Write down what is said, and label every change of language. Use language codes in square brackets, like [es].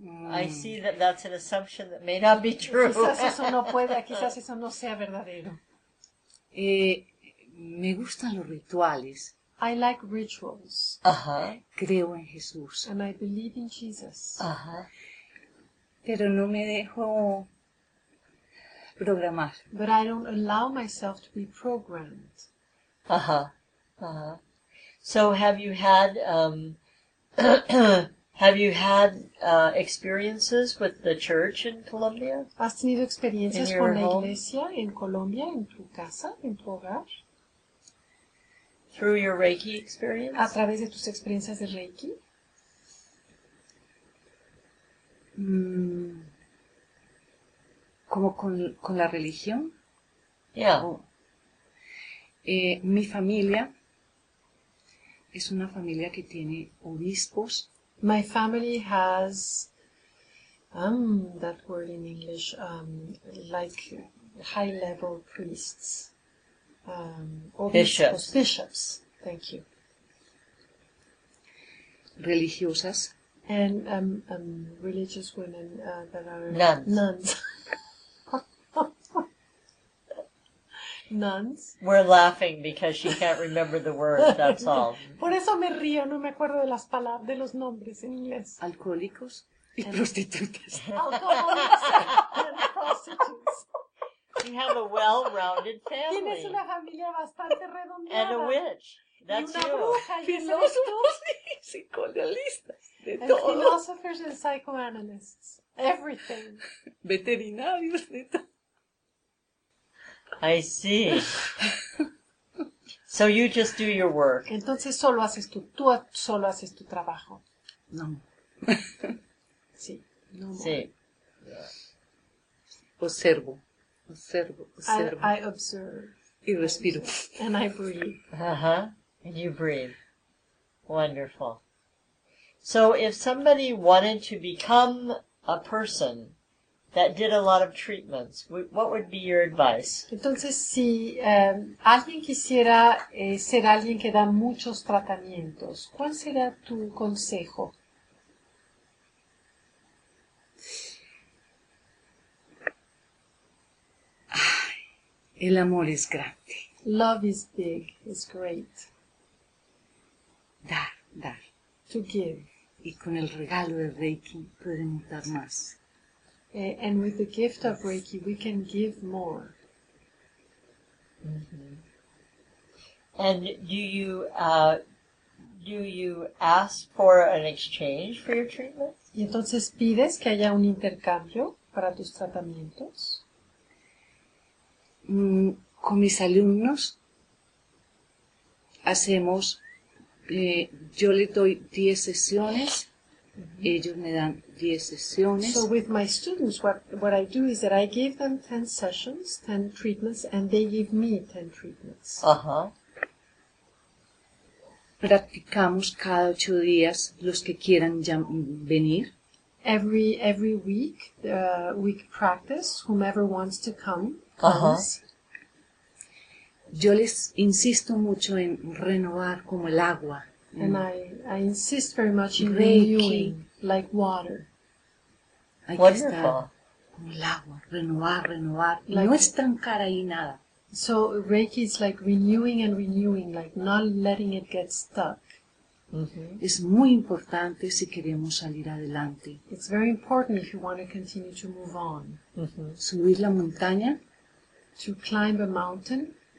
[en] I see that that's an assumption that may not be true. [es] Quizás eso no pueda, quizás eso no sea verdadero. Me gustan los rituales. [en] I like rituals. Uh-huh. [es] Creo en Jesús. [en] And I believe in Jesus. Uh-huh. [es] Pero no me dejo programar. [en] But I don't allow myself to be programmed. Uh-huh. Uh-huh. So have you had experiences with the church in Colombia? [es] ¿Has tenido experiencias con la iglesia en Colombia, en tu casa, en tu hogar? [en] Through your Reiki experience? [es] ¿A través de tus experiencias de Reiki? ¿Como con la religión? [en] Yeah. [es] Mi familia es una familia que tiene obispos. [en] My family has, that word in English, like high-level priests, bishops, thank you. [es] Religiosas. [en] And religious women that are nuns. Nuns. We're laughing because she can't remember the words, that's all. [es] Por eso me río, no me acuerdo de las palabras, de los nombres en inglés. Alcohólicos y prostitutas. [en] Alcoholics and prostitutes. We have a well-rounded family. [es] Tienes una familia bastante redondeada. [en] And a witch. That's [es] y una [en] you. [es] Bruja y filósofos y psicoanalistas. De [en] and [es] todo. [en] Philosophers and psychoanalysts. Everything. [es] Veterinarios de todo. [en] I see. So you just do your work. [es] Entonces solo haces tú solo haces tu trabajo. No. Sí. No. Sí. [en] Yeah. [es] Observo. [en] I observe. [es] Y respiro. [en] And I breathe. Uh-huh. And you breathe. Wonderful. So if somebody wanted to become a person that did a lot of treatments, what would be your advice? [es] Entonces, si alguien quisiera ser alguien que da muchos tratamientos, ¿cuál sería tu consejo? Ay, el amor es grande. [en] Love is big, it's great. [es] Dar. [en] To give. [es] Y con el regalo de Reiki podemos dar más. [en] And with the gift of Reiki, we can give more. Mm-hmm. And do you ask for an exchange for your treatment? [es] ¿Y entonces pides que haya un intercambio para tus tratamientos? Con mis alumnos hacemos, yo le doy 10 sesiones. Mm-hmm. Ellos me dan 10 sesiones. [en] So with my students, what I do is that I give them 10 sessions, 10 treatments, and they give me 10 treatments. Uh-huh. [es] Practicamos cada 8 días los que quieran venir. [en] Every week, we practice, whomever wants to come. Comes. Uh-huh. [es] Yo les insisto mucho en renovar como el agua. [en] And I insist very much in renewing, like water. Wonderful. [es] El agua, renovar. Like, no estancar ahí nada. [en] So Reiki is like renewing and renewing, like not letting it get stuck. [es] Mm-hmm. Es muy importante si queremos salir adelante. [en] It's very important if you want to continue to move on. [es] Mm-hmm. Subir la montaña. [en] To climb a mountain.